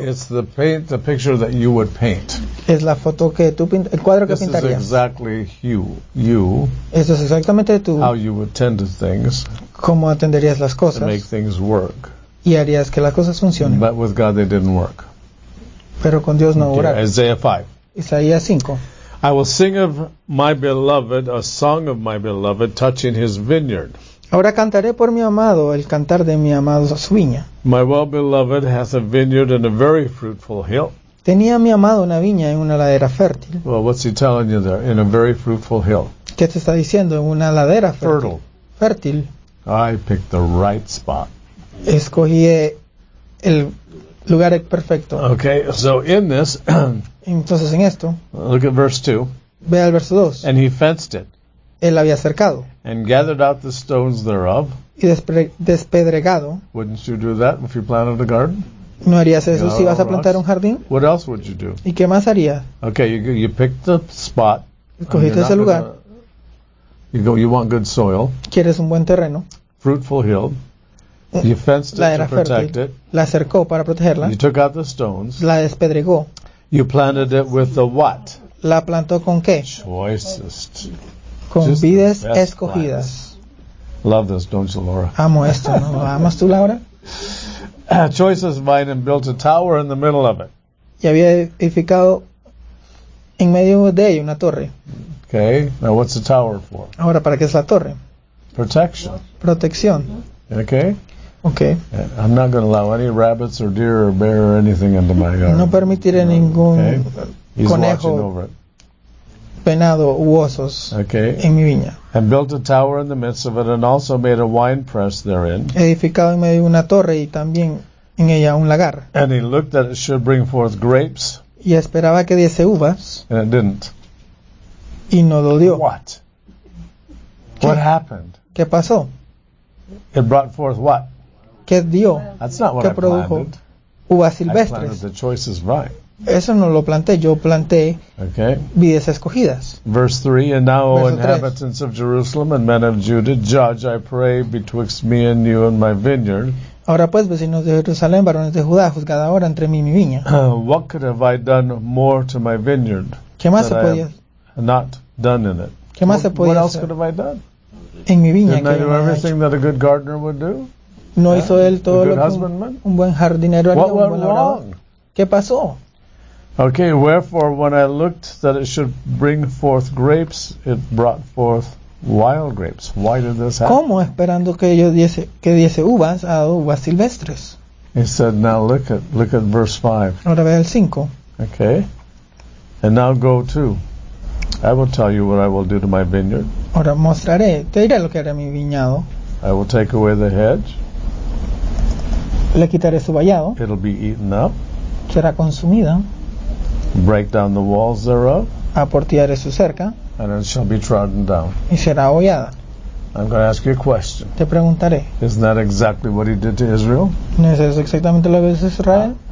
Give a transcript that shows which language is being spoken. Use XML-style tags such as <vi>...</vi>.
<en>It's the paint, the picture that you would paint.</en> <es>Es la foto que tú pintas, el cuadro que pintarías.</es> <en>This is exactly you.</en> <es>Esto es exactamente tú.</es> <en>How you would tend to things.</en> <es>Cómo atenderías las cosas.</es> <en>To make things work.</en> <es>Y harías que las cosas funcionen.</es> <en>But with God, they didn't work.</en> <es>Pero con Dios no obra.</es> <en>Okay, Isaiah 5.</en> <es>Isaías 5.</es> <en>I will sing of my beloved, a song of my beloved, touching his vineyard.</en> <es>Ahora cantaré por mi amado, el cantar de mi amado su viña.</es> <en>My well beloved hath a vineyard and a very fruitful hill.</en> <es>Tenía mi amado una viña en una ladera fértil.</es> <en>Well, what's he telling you there? In a very fruitful hill.</en> <es>¿Qué te está diciendo? En una ladera fértil.</es> <en>Fertile. I picked the right spot.</en> <es>Escogí el lugar perfecto.</es> <en>Okay, so in this.</en> <es>Entonces en esto.</es> <en>Look at verse 2.</en> <es>Ve al verso 2.</es> <en>And he fenced it.</en> <es>Él había cercado.</es> <en>And gathered out the stones thereof.</en> <es>Y despedregado.</es> <en>Wouldn't you do that if you planted a garden?</en> <es>¿No harías eso si vas a plantar un jardín?</es> <en>What else would you do?</en> <es>¿Y qué más harías?</es> <en>Okay, you picked the spot.</en> <es>Escogiste ese lugar.</es> <en>You want good soil.</en> <es>¿Quieres un buen terreno?</es> <en>Fruitful hill. You fenced it to protect it.</en> <es>La cercó para protegerla.</es> <en>You took out the stones.</en> <es>La despedregó.</es> <en>You planted it with the what?</en> <es>La plantó con qué?</es> <en>Choicest.</en> <es>Con vides escogidas.</es> <en>Plants. Love this, don't you, Laura?</en> <es>Amo esto, ¿no? ¿Amas tú, Laura?</es> <en>Choicest vine and built a tower in the middle of it.</en> <es>Y había edificado en medio de ella una torre.</es> <en>Okay, now what's the tower for?</en> <es>Ahora, ¿para qué es la torre?</es> <en>Protection.</en> <es>Protección.</es> <en>Okay. Okay. I'm not going to allow any rabbits or deer or bear or anything into my yard.</en> <es>No permitiré ningún conejo, venado u osos en mi viña.</es> <en>And built a tower in the midst of it and also made a wine press therein.</en> <es>Edificado en medio de una torre y también en ella un lagar.</es> <en>And he looked that it should bring forth grapes.</en> <es>Y esperaba que diese uvas.</es> <en>And it didn't.</en> <es>Y no lo dio.</es> <en>What? What happened?</en> <es>¿Qué pasó?</es> <en>It brought forth what?</en> <es>Que dio,</es> <en>that's not what</en> <es>que</es> <en>I</en> <es>produjo</es> <en>planted.</en> <es>Uvas silvestres.</es> <en>I planted the choices right.</en> <es>Eso no lo planté, yo planté</es> <en>okay.</en> <es>Vides escogidas.</es> <en>Verse 3, and now, O inhabitants of Jerusalem and men of Judah, judge, I pray, betwixt me and you and my vineyard.</en> <es>Ahora pues, vecinos de Jerusalén, varones de Judá, juzgad ahora entre mí y mi viña.</es> <en>What could have I done more to my vineyard</en> <es>¿qué más se podía?</es> <en>Not done in it.</en> <es>¿Qué más se podía</es> <en>what</en> <es>hacer?</es> <en>Else could have I done?</en> <es>En mi viña.</es> <en>Didn't I do everything</en> <es>hecho?</es> <en>That a good gardener would do?</en> <es>No yeah, hizo él todo lo que un buen jardinero haría, un buen</es> <en>wrong?</en> <es>¿Qué pasó?</es> <en>Okay, wherefore, when I looked that it should bring forth grapes, it brought forth wild grapes. Why did this happen?</en> <es>¿Cómo esperando que yo diese, que diese uvas, ha dado uvas silvestres?</es> <en>He said, now look at verse 5.</en> <es>Ahora ve el 5.</es> <en>Okay. And now go to. I will tell you what I will do to my vineyard.</en> <es>Ahora mostraré, te diré lo que haré a mi viñado.</es> <en>I will take away the hedge.</en> <es>Le quitaré su vallado.</es> <en>It'll be eaten up.</en> <es>Será consumida.</es> <en>Break down the walls thereof.</en> <es>Aportillaré su cerca.</es> <en>And it shall be trodden down.</en> <es>Y será hollada.</es> <en>I'm going to ask you a question.</en> <es>Te preguntaré.</es> <en>Isn't that exactly what he did to Israel?</en> <es>¿No es eso exactamente lo que hizo Israel?</es>